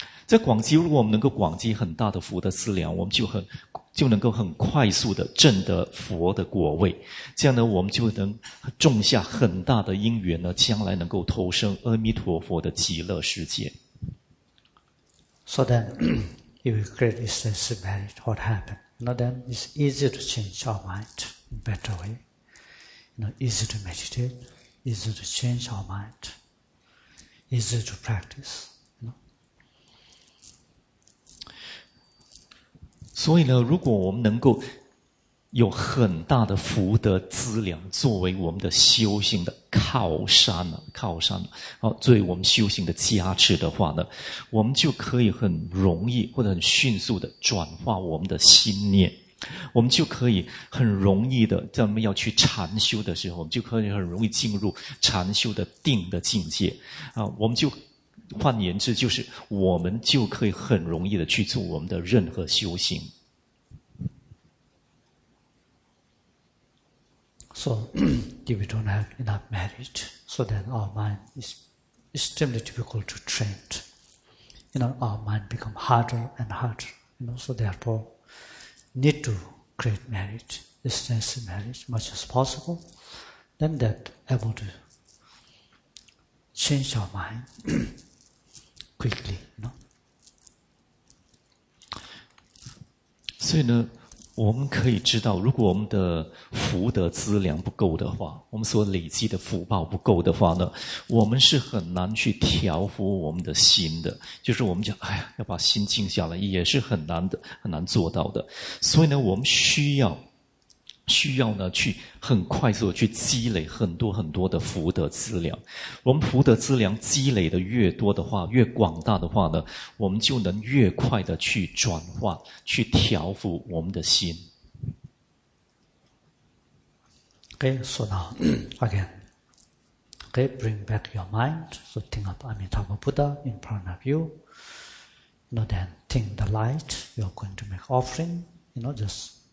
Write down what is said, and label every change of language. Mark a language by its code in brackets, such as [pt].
[zh] 在广积，如果我们能够广积很大的福德资粮，我们就能够很快速的证得佛的果位，这样呢我们就能种下很大的因缘呢，将来能够投生阿弥陀佛的极乐世界。 [en] So then if you create extensive merit, what happened? You know, then it's easy to change our mind in a better way, you know, easy to meditate, easy to change our mindEasy to practice, you know? [zh] 所以呢，如果我们能够有很大的福德资粮作为我们的修行的靠山，作为我们修行的加持的话呢，我们就可以很容易或者很迅速的转化我们的心念。我们就可以很容易的，在我们要去禅修的时候，我们就可以很容易进入禅修的定的境界啊。我们就换言之，就是我们就可以很容易的去做我们的任何修行。 [en] So, we don't have enough merit, so then our mind is extremely difficult to train. You know, our mind become harder and harder, you know, so therefore, need to create merit, extensive merit, much as possible, then that able to change our mind quickly, you know. [zh] 所以呢，我们可以知道，如果我们的福德资粮不够的话，我们所累积的福报不够的话呢，我们是很难去调伏我们的心的。就是我们讲，哎呀，要把心静下来，也是很难的，很难做到的。所以呢，我们需要呢，去很快速的去积累很多很多的福德资粮。我们福德资粮积累的越多的话，越广大的话呢，我们就能越快的去转化，去调伏我们的心。 [en] Okay, so now, again, okay, bring back your mind, so think of Amitabha Buddha in front of you. You know, then think the light, you're going to make offering, you know, just.